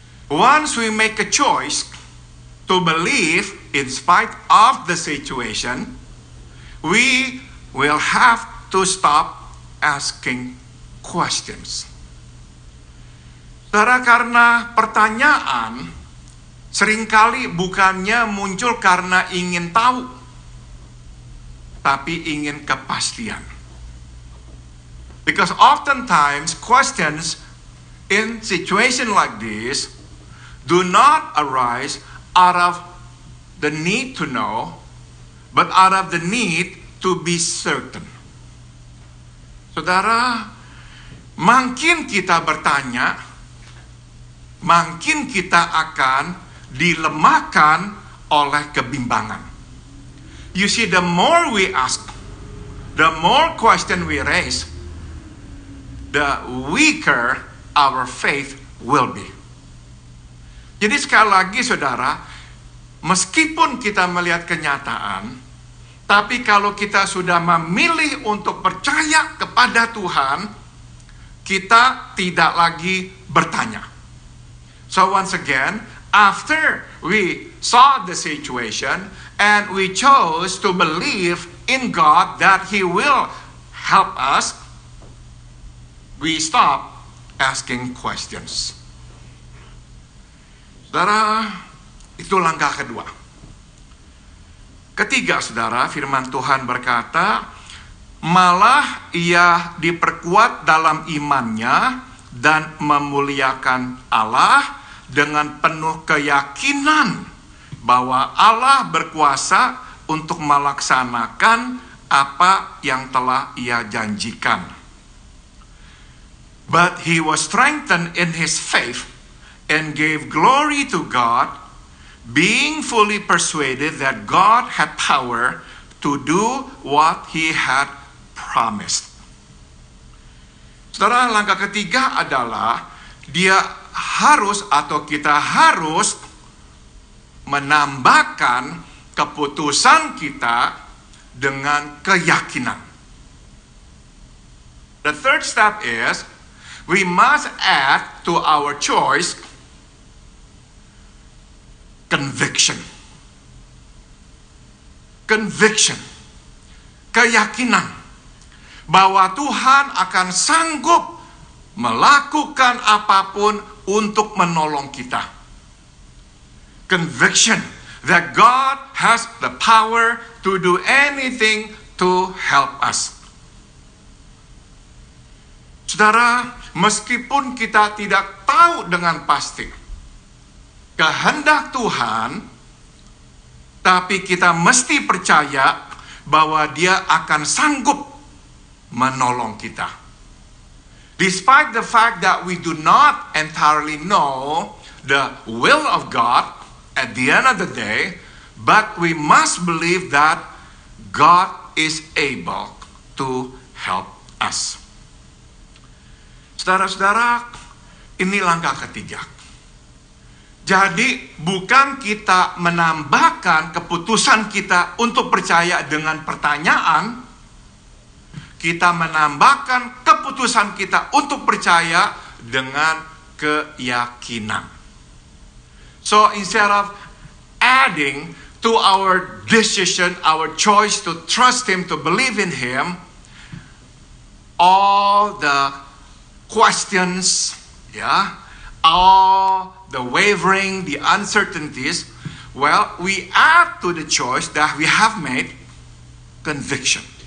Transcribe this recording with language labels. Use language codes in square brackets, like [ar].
[en] Once we make a choice to believe in spite of the situation, we will have to stop asking questions. [id] Karena pertanyaan seringkali bukannya muncul karena ingin tahu, tapi ingin kepastian. [en] Because oftentimes questions in situation like this do not arise out of the need to know, but out of the need to be certain. [id] Saudara, makin kita bertanya, makin kita akan dilemahkan oleh kebimbangan. [en] You see, the more we ask, the more question we raise, the weaker our faith will be. [id] Jadi sekali lagi saudara, meskipun kita melihat kenyataan, tapi kalau kita sudah memilih untuk percaya kepada Tuhan, kita tidak lagi bertanya. [en] So once again, after we saw the situation and we chose to believe in God that he will help us, we stop asking questions. [id] Saudara, itu langkah kedua. Ketiga, saudara, firman Tuhan berkata, malah ia diperkuat dalam imannya dan memuliakan Allah dengan penuh keyakinan bahwa Allah berkuasa untuk melaksanakan apa yang telah ia janjikan. [en] But he was strengthened in his faith and gave glory to God, being fully persuaded that God had power to do what he had promised. [id] Saudara, langkah ketiga adalah dia harus atau kita harus menambahkan keputusan kita dengan keyakinan. [en] The third step is we must add to our choice conviction. Conviction. [id] Keyakinan bahwa Tuhan akan sanggup melakukan apapun untuk menolong kita. [en] Conviction that God has the power to do anything to help us. [id] Saudara, meskipun kita tidak tahu dengan pasti kehendak Tuhan, tapi kita mesti percaya bahwa dia akan sanggup menolong kita. [en] Despite the fact that we do not entirely know the will of God at the end of the day, but we must believe that God is able to help us. [id] Saudara-saudara, ini langkah ketiga. Jadi, bukan kita menambahkan keputusan kita untuk percaya dengan pertanyaan. Kita menambahkan keputusan kita untuk percaya dengan keyakinan. [en] So, instead of adding to our decision, our choice to trust him, to believe in him, all the questions, all the wavering, the uncertainties, well, we add to the choice that we have made conviction.